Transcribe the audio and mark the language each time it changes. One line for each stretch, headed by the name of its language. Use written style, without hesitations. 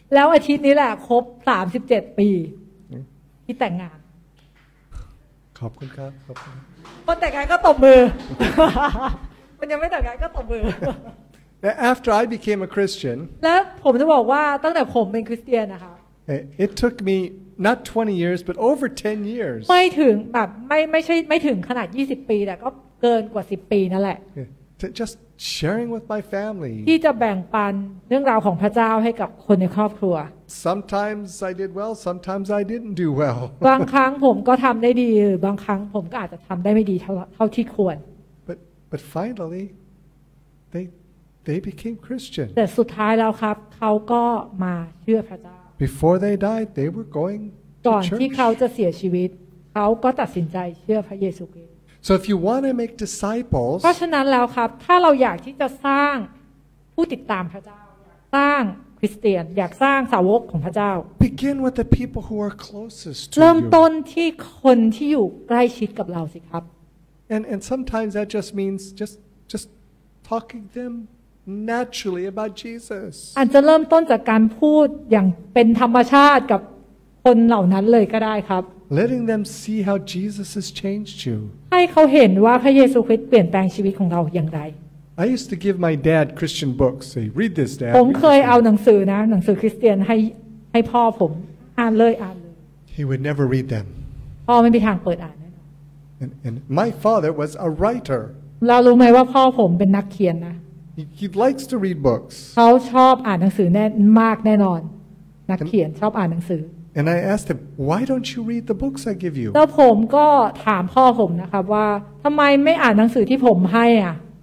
Thai: แล้วอาทิตย์นี้แหละครบ37ปีที่แต่งงาน ขอบคุณครับขอบคุณ คนแต่งงานก็ตบมือคนยังไม่แต่งงานก็ตบมือ
English: Now, after I became a Christian
Thai: แล้วผมจะบอกว่าตั้งแต่ผมเป็นคริสเตียนนะคะ
English: It took me not 20 years but over 10 years
Thai: ไม่ถึงแบบไม่ถึงขนาด20ปีแต่ก็เกินกว่า10ปีนั่นแหละ
English: justsharing with my family
Thai: ที่จะแบ่งปันเรื่องราวของพระเจ้าให้กับคนในครอบครัว
English: Sometimes I did well sometimes I didn't do well
Thai: บางครั้งผมก็ทําได้ดีบางครั้งผมก็อาจจะทําได้ไม่ดีเท่าที่ควร
English: But finally they They became Christian.
Thai: แต่สุดท้ายแล้วครับเขาก็มาเชื่อพระเจ้า
English: Before they died, they were going to church.
Thai: ก่อนที่เขาจะเสียชีวิตเขาก็ตัดสินใจเชื่อพระเยซูคริสต์
English: So if you want to make disciples,
Thai: เพราะฉะนั้นแล้วครับถ้าเราอยากที่จะสร้างผู้ติดตามพระเจ้าสร้างคริสเตียนอยากสร้างสาวกของพระเจ้า
English: Begin with the people who are closest to you.
Thai: เริ่มต้นที่คนที่อยู่ใกล้ชิดกับเราสิครับ
English: And sometimes that just means just talking to themNaturally about Jesus.
Thai: อาจจะเริ่มต้นจากการพูดอย่างเป็นธรรมชาติกับคนเหล่านั้นเลยก็ได้ครับ
English: Letting them see how Jesus has changed you.
Thai: ให้เขาเห็นว่าพระเยซูคริสต์เปลี่ยนแปลงชีวิตของเราอย่างไร
English: I used to give my dad Christian books. Say, read this, Dad.
Thai: ผมเคยเอาหนังสือนะหนังสือคริสเตียนให้พ่อผมอ่านเลยอ่านเลย
English: He would never read them.
Thai: พ่อไม่มีทางเปิดอ่านแน่น
English: อน And my father was a writer.
Thai: เรารู้ไหมว่าพ่อผมเป็นนักเขียนนะ
English: He likes to read books.
Thai: เขาชอบอ่านหนังสือแน่นมากแน่นอนนักเขียนชอบอ่านหนังสือ
English: And I asked him, why don't you read the books I give you?
Thai: แล้วผมก็ถามพ่อผมนะครับว่าทำไมไม่อ่านหนังสือที่ผมให้อ่ะ